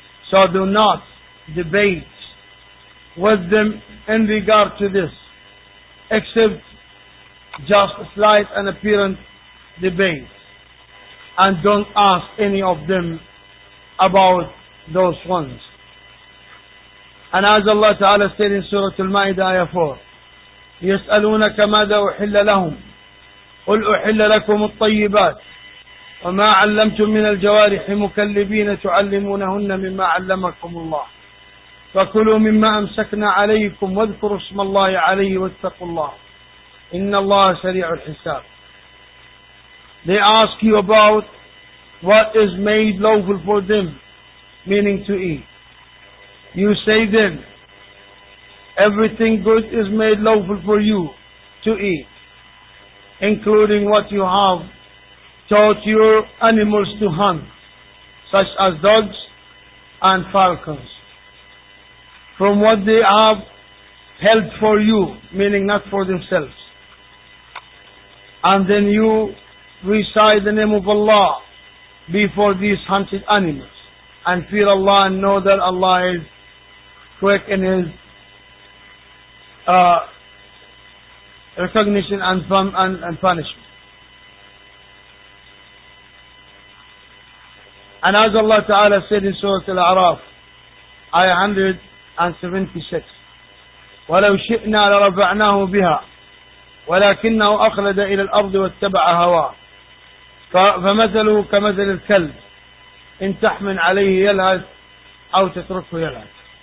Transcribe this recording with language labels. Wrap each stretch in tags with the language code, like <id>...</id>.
<en>So do not debate with them in regard to this, except just a slight and apparent debate. And don't ask any of them about those ones. And as Allah Ta'ala said in Surah Al-Ma'idah, Ayah 4,</en> <ar>يَسْأَلُونَكَ مَاذَا أُحِلَّ لَهُمْ قُلْ أُحِلَّ لَكُمُ الطَّيِّبَاتِ وما علمتم من الجوارح مكلبين تعلمونهن مما علمكم الله فكلوا مما أمسكنا عليكم واذكروا اسم الله عليه واتقوا الله إن الله سريع الحساب.</ar> <en>They ask you about what is made lawful for them, meaning to eat. You say then, everything good is made lawful for you to eat, including what you have taught your animals to hunt, such as dogs and falcons, from what they have held for you, meaning not for themselves. And then you recite the name of Allah before these hunted animals, and fear Allah and know that Allah is quick in His recognition and punishment. And as Allah Ta'ala said in Surah Al-A'raf, Ayah 176,</en> <ar>وَلَوْ شِئْنَا لَرَفَعْنَاهُ بِهَا وَلَكِنَّهُ أَخْلَدَ إِلَى الْأَرْضِ وَاتَّبَعَ هَوَاهُ فَمَثَلُهُ كَمَثَلِ الْكَلْبِ إِنْ تَحْمِلْ عَلَيْهِ يَلْهَثْ أَوْ تَتْرُكْهُ يَلْهَثْ.</ar>